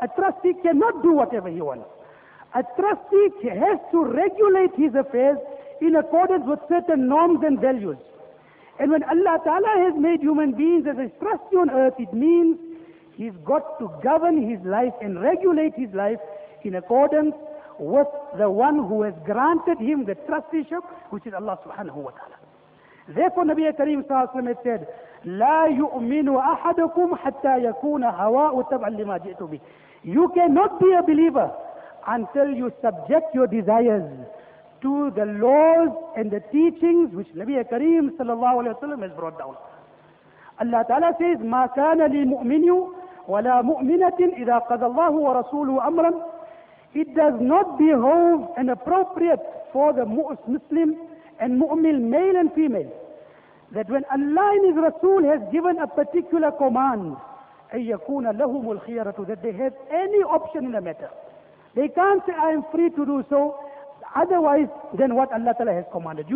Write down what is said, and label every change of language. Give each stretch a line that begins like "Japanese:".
English: A trustee cannot do whatever he wants. A trustee has to regulate his affairs in accordance with certain norms and values. And when Allah Ta'ala has made human beings as a trustee on earth, it means he's got to govern his life and regulate his life in accordance with the one who has granted him the trusteeship, which is Allah Subhanahu Wa Ta'ala. Therefore, Nabi Kareem Sallallahu Alaihi Wasallam said,
Arabic: لَا يُؤْمِنُ أَحَدُكُمْ حَتَّى يَكُونَ هَوَاءُ تَبْعًا لِمَا جِئْتُ بِهِ.
English: You cannot be a believer until you subject your desires to the laws and the teachings which Nabi Kareem Sallallahu Alaihi Wasallam has brought down. Allah Ta'ala says,
Arabic: مَا كَانَ لِلْمُؤْمِنِ وَلَا مُؤْمِنَةٍ إِذَا قَضَى اللَّهُ وَرَسُولُهُ أَمْرًا.
English: It does not behove and appropriate for the Muslim and mu'min, male and female, that when Allah and His Rasul has given a particular command,
Arabic: أَيَّكُونَ لَهُمُ الْخِيَرَةُ,
English: that they have any option in the matter. They can't say, I am free to do so, otherwise than what Allah Ta'ala has commanded.